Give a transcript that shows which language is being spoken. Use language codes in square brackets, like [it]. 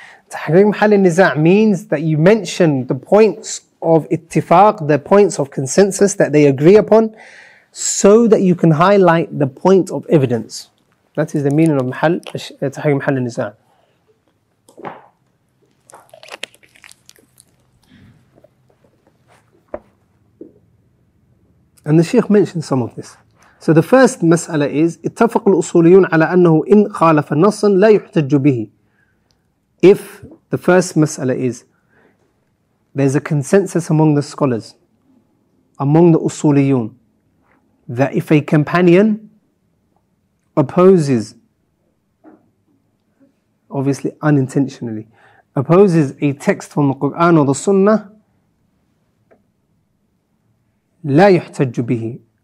[en] Tahrir mahal al-niza' means that you mention the points of ittifaq, the points of consensus that they agree upon, so that you can highlight the point of evidence. That is the meaning of tahrir mahal al-niza'. And the Sheikh mentioned some of this. So the first mas'ala is, [ar] اتفق الأصوليون على أنه إن خالف نصا لا يحتج به. [en] If the first mas'ala is, there's a consensus among the scholars, among the أصوليون, that if a companion opposes, obviously unintentionally, opposes a text from the Quran or the Sunnah, [ar] لا يحتج به.